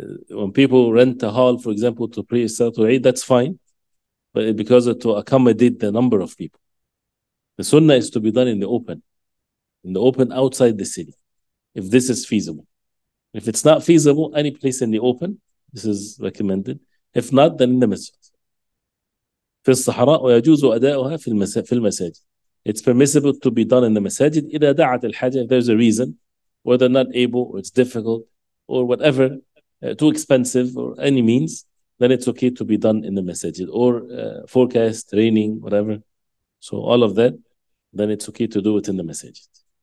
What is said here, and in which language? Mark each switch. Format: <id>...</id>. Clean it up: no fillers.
<en>When people rent a hall, for example, to pray Salatul Eid, that's fine. But because to accommodate the number of people. The sunnah is to be done in the open outside the city, if this is feasible. If it's not feasible, any place in the open, this is recommended. If not, then in the masjid.</en> <ar>في الصحراء ويجوز أداؤها في المساجد.</ar> <en>It's permissible to be done in the masajid.</en> <ar>إذا دعت الحاجة,</ar> <en>if there's a reason, whether not able, or it's difficult, or whatever, too expensive, or any means, then it's okay to be done in the masajid. Or forecast, raining, whatever. So all of that, then it's okay to do it in the masajid.</en>